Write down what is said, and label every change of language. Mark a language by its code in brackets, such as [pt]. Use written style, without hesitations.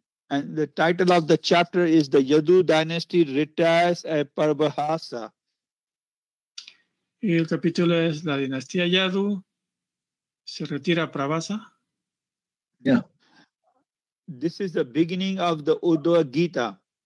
[en] And the title of the chapter is The Yadu Dynasty Retires at Parbhasa. [es] Y el capítulo es La Dinastía Yadu se retira a Parbhasa. [en] Yeah. This is the beginning of the Uddhava Gita.